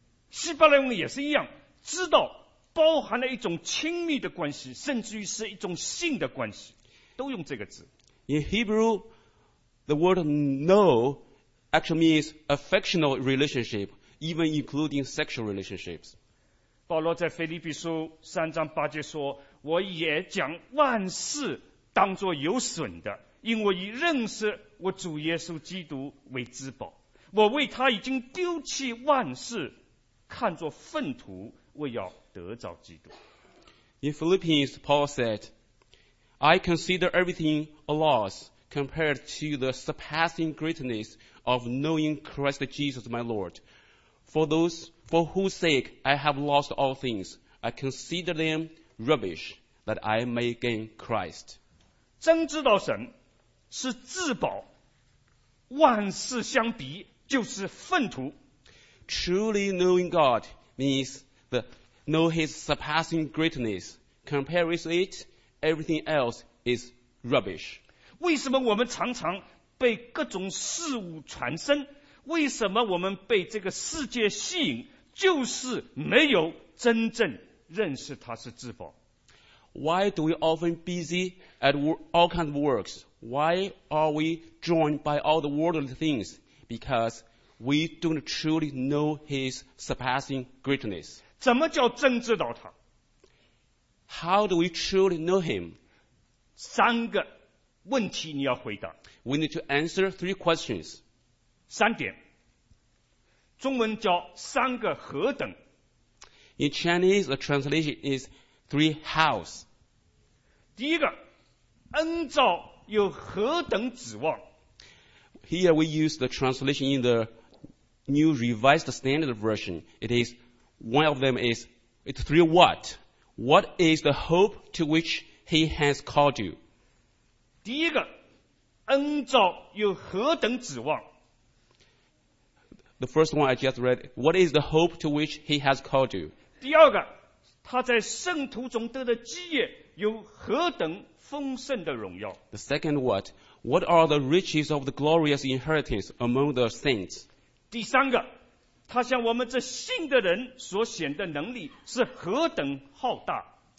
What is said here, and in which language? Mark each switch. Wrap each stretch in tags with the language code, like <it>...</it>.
<zh>希伯来文也是一样，知道包含了一种亲密的关系，甚至于是一种性的关系，都用这个字。</zh> <en>In Hebrew, the word know actually means affectional relationship, even including sexual relationships.</en> <zh>保罗在腓立比书三章八节说，我也将万事当作有损的，因我以认识我主耶稣基督为至宝，我为他已经丢弃万事，看作粪土，为要得着基督。</zh> <en>In Philippians, Paul said, I consider everything a loss compared to the surpassing greatness of knowing Christ Jesus my Lord. For whose sake I have lost all things, I consider them rubbish, that I may gain Christ.</en> <zh>真知道神是至宝，万事相比就是粪土。</zh> <en>Truly knowing God means the know His surpassing greatness. Compared with it, everything else is rubbish.</en> <zh>为什么我们常常被各种事物缠身？为什么我们被这个世界吸引？就是没有真正认识他是至宝。</zh> <en>Why do we often busy at all kinds of works? Why are we joined by all the worldly things? Because we don't truly know his surpassing greatness.</en> <zh>怎么叫真知道他？</zh> <en>How do we truly know him?</en> <zh>三个问题你要回答。</zh> <en>We need to answer three questions.</en> <zh>三点。中文叫三个何等。</zh> <en>In Chinese, the translation is three hows.</en> <zh>第一个，恩召有何等指望。</zh> <en>Here we use the translation in the New Revised Standard Version. It is, one of them is, it's three what. What is the hope to which he has called you?</en> <zh>第一个，恩召有何等指望。</zh> <en>The first one I just read, what is the hope to which he has called you?</en> <zh>第二个，他在圣徒中得的基业有何等丰盛的荣耀。</zh> <en>The second word, what are the riches of the glorious inheritance among the saints?</en> <zh>第三个，他向我们这信的人所显的能力是何等浩大。</zh>